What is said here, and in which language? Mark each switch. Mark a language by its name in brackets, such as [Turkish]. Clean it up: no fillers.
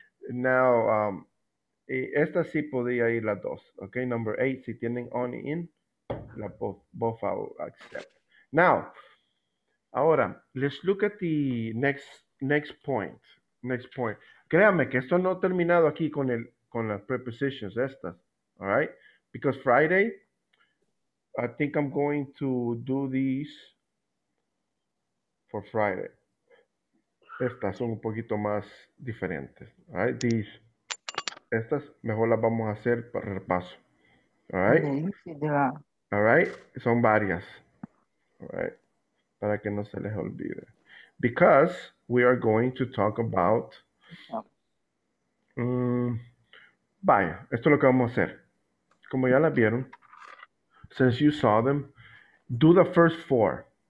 [Spanish] Now, esta sí podía ir las dos, okay? [English] Number 8, [Spanish] si tienen [English] on y in. Both I'll accept. Now, ahora, let's look at the next point. [Spanish] Créame que esto no ha terminado aquí con las prepositions estas, [English] all right? Because Friday, I think I'm going to do these for Friday. [Spanish] Estas son un poquito más diferentes. [English] All right, these. [Spanish] Estas mejor las vamos a hacer para repaso. [English] All right. All right. [Spanish] Son varias. [English] All right. [Spanish] Para que no se les olvide. [English] Because we are going to talk about. [Spanish] Vaya, esto es lo que vamos a hacer. Como ya la vieron, [English] since you saw them, do the first four.